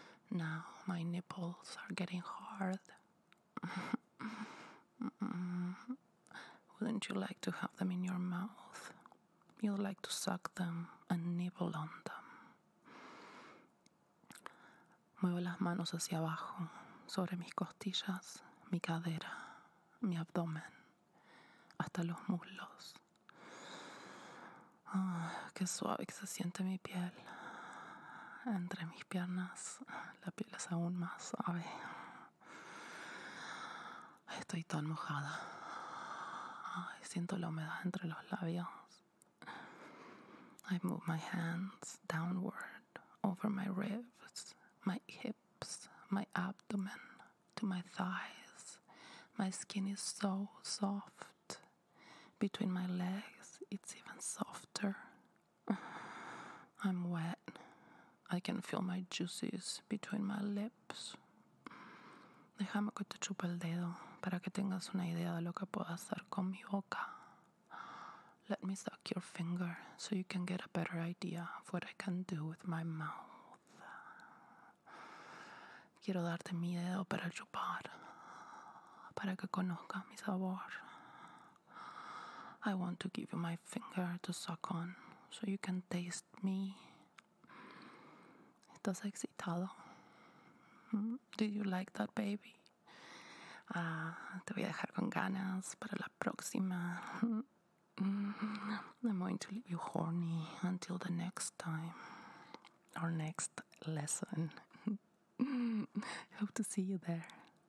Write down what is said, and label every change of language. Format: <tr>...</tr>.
<en>Now my nipples are getting hard. Wouldn't you like to have them in your mouth? You'd like to suck them and nibble on them.</en> <es>Muevo las manos hacia abajo. Sobre mis costillas, mi cadera, mi abdomen, hasta los muslos. Oh, qué suave que se siente mi piel. Entre mis piernas, la piel es aún más suave. Estoy tan mojada. Ay, siento la humedad entre los labios.</es> <en>I move my hands downward over my ribs, my hips, my abdomen. To my thighs, my skin is so soft. Between my legs, it's even softer. I'm wet. I can feel my juices between my lips.</en> <es>Déjame que te chupe el dedo para que tengas una idea de lo que puedo hacer con mi boca.</es> <en>Let me suck your finger so you can get a better idea of what I can do with my mouth.</en> <es>Quiero darte mi dedo para chupar, para que conozcas mi sabor.</es> <en>I want to give you my finger to suck on, so you can taste me.</en> <es>¿Estás excitado?</es> <en>Did you like that, baby?</en> <es>Te voy a dejar con ganas para la próxima.</es> <en>I'm going to leave you horny until the next time, our next lesson. Hope to see you there.</en>